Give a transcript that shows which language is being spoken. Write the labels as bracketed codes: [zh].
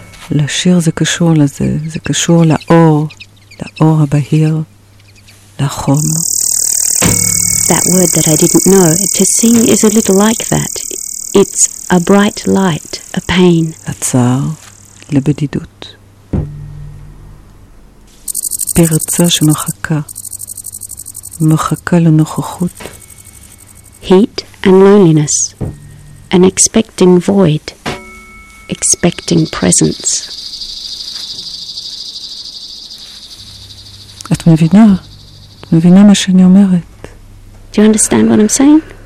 [he] לשיר זה קשור לזה, זה קשור לאור, לאור הבהיר, לחום. [en] That word that I didn't know, to sing is a little like that. It's a bright light, a pain. [he] לצער, לבדידות. פרצה שמחכה, מחכה לנוכחות. [en] Heat and loneliness, an expecting void, expecting presence. [he] את מבינה? את מבינה מה שאני אומרת? [en] Do you understand what I'm saying?